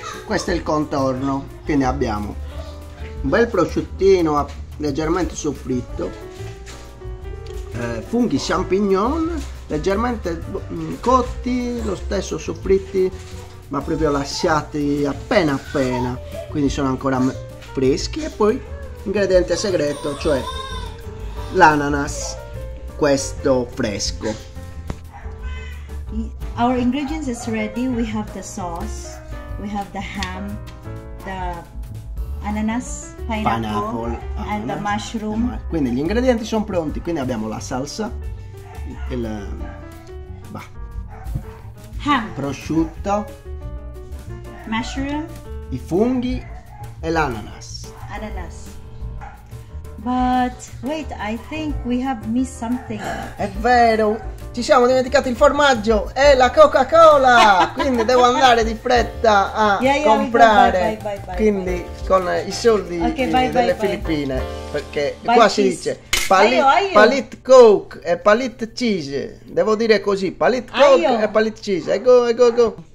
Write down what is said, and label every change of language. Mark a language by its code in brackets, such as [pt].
[it] questo è il contorno che ne abbiamo. Un bel prosciuttino leggermente soffritto, funghi champignon leggermente cotti, lo stesso soffritti ma proprio lasciati appena appena, quindi sono ancora freschi. E poi ingrediente segreto, cioè l'ananas, questo fresco. [en] Our ingredients is ready. We have the sauce, we have the ham, the ananas, pineapple and the mushroom. [it] Quindi gli ingredienti sono pronti, quindi abbiamo la salsa, il [en] ham, [it] prosciutto, [en] mushroom, [it] i funghi e l'ananas. Ananas. [en] But wait, I think we have missed something. [it] È vero, ci siamo dimenticati il formaggio e la Coca-Cola, quindi devo andare di fretta a comprare, quindi con i soldi delle Filippine, perché qua si dice palit coke e palit cheese, devo dire così, palit coke e palit cheese, go.